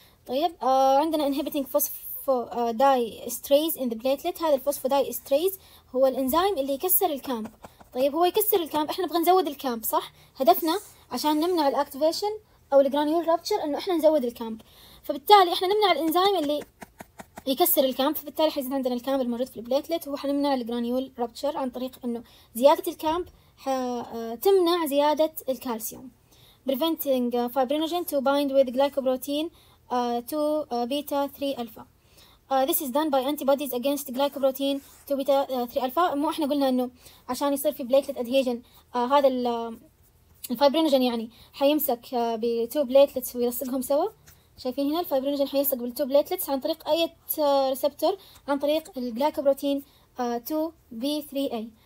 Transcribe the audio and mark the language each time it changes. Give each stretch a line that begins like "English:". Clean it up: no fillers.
Arabic: طيب عندنا
English: inhibiting phospho diesterase in the platelet.
Arabic: هذا الفوسفو diesterase هو الانزيم اللي يكسر الكامب. طيب هو يكسر الكامب، احنا نبغى نزود الكامب صح؟ هدفنا عشان نمنع الاكتيفيشن او الجرانيول رابتشر انه احنا نزود الكامب، فبالتالي احنا نمنع الانزيم اللي يكسر الكامب، فبالتالي حيزيد عندنا الكامب الموجود في البليتلت، وهو حنمنع الجرانيول رابتشر عن طريق انه زياده الكامب حتمنع زياده الكالسيوم.
English: preventing fibrinogen to bind with glycoprotein 2 beta 3 alpha. This is done by antibodies against glycoprotein 2 beta 3 alpha.
Arabic: مو احنا قلنا انه عشان يصير في بليتلت ادهيجن هذا الفايبرينوجين يعني حيمسك بتو بليتلتس ويلصقهم سوا. شايفين هنا الفايبرينوجين حيلصق بالتو بليتلتس عن طريق اي ريسبتور؟ عن طريق الجلايكوبروتين 2B3A.